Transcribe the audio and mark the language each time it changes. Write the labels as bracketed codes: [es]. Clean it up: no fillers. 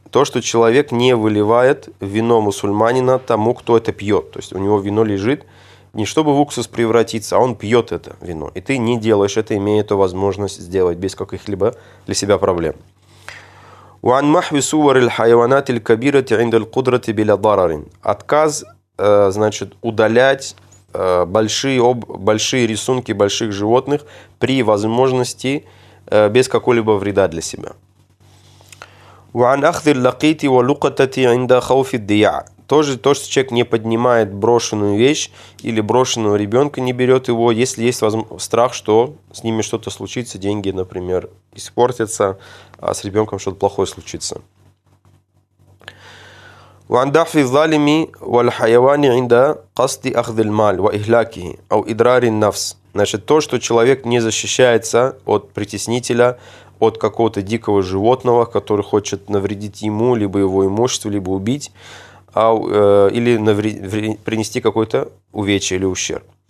[ru] То, что человек не выливает вино мусульманина тому, кто это пьет. То есть у него вино лежит не чтобы в уксус превратиться, а он пьет это вино. И ты не делаешь это, имея эту возможность сделать без каких-либо для себя проблем. [ar] وعن محو صور الحيوانات الكبيرة عند القدرة بلا ضرر. [ru] Отказ, значит, удалять большие рисунки больших животных при возможности без какого-либо вреда для себя. [ar] وعن أخذ اللقيط واللقطة عند خوف الضياع. [ru] Тоже то, что человек не поднимает брошенную вещь или брошенного ребенка, не берет его, если есть страх, что с ними что-то случится, деньги, например, испортятся, а с ребенком что-то плохое случится. [ar] وعن دفع الظالم والحيوان عند قصد أخذ المال وإهلاكه أو إدرار النفس. [ru] Значит, то, что человек не защищается от притеснителя, от какого-то дикого животного, который хочет навредить ему, либо его имуществу, либо убить, или принести какое-то увечье или ущерб.